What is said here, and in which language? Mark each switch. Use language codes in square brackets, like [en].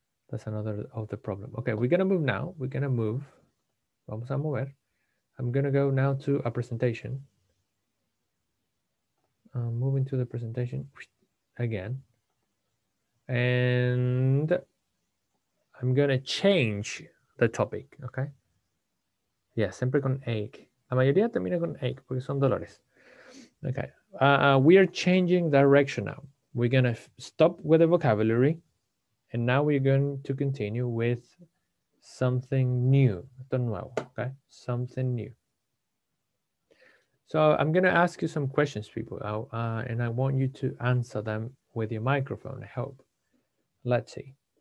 [en] That's another of the problem. Okay, we're going to move now. We're going to move. [es] Vamos a mover. [en] I'm going to go now to a presentation. I'm moving to the presentation again. And I'm going to change the topic, okay? Yeah, [es] siempre con ache. La mayoría termina con ache porque son dolores. [en] Okay, we are changing direction now. We're going to stop with the vocabulary. And now we're going to continue with something new. [es] Esto nuevo, [en] okay? Something new. So I'm going to ask you some questions, people. And I want you to answer them with your microphone, I hope. Let's see.